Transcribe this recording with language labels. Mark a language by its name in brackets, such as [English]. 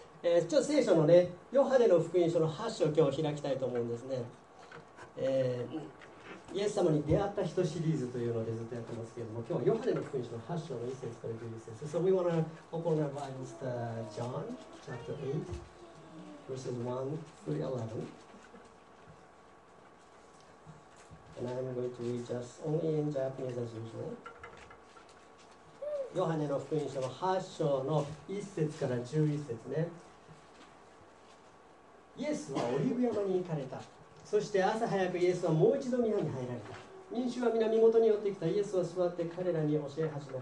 [Japanese] ちょっと聖書のね、ヨハネの福音書の8章を今日開きたいと思うんですね。イエス様に出会った人シリーズというのでずっとやってますけれども、今日はヨハネの福音書の8章の1節から11節。 [English] So we want to open our Bibles to John chapter 8 verses 1 through 11, and I'm going to read just only in Japanese as usual. [Japanese] ヨハネの福音書の8章の1節から11節ね。イエスはオリーブ山に行かれた。そして朝早くイエスはもう一度宮に入られた。民衆は皆身元に寄ってきた。イエスは座って彼らに教え始められた。